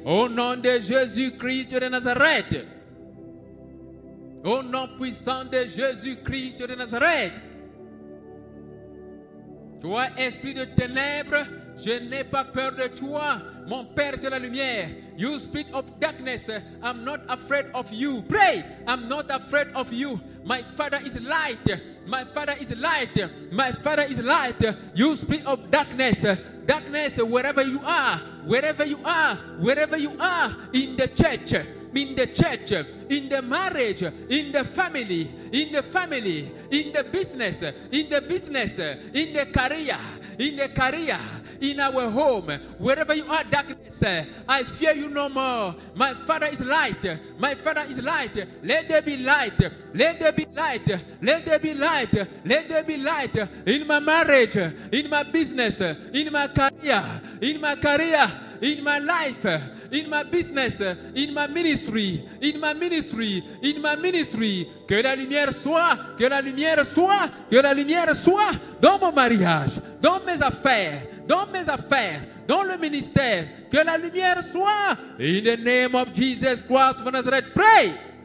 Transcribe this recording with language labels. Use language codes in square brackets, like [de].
[fr] Au nom de Jésus-Christ de Nazareth. Au nom puissant de Jésus-Christ de Nazareth. Toi, esprit de ténèbres, je n'ai pas peur de toi, mon Père, c'est la lumière. [en] You spirit of darkness, I'm not afraid of you. Pray, I'm not afraid of you. My Father is light. My Father is light. My Father is light. You spirit of darkness. Darkness, wherever you are, wherever you are, wherever you are, in the church. In the church, in the marriage, in the family, in the family, in the business, in the business, in the career, in the career, in our home, wherever you are, darkness, I fear you no more. My Father is light. My Father is light. Let there be light. Let there be light. Let there be light. Let there be light in my marriage, in my business, in my career, in my career, in my life, in my business, in my ministry, in my ministry, in my ministry. [fr] Que la lumière soit, que la lumière soit, que la lumière soit dans mon mariage, dans mes affaires, dans le ministère. Que la lumière soit. [en] In the name of Jesus Christ of Nazareth, pray.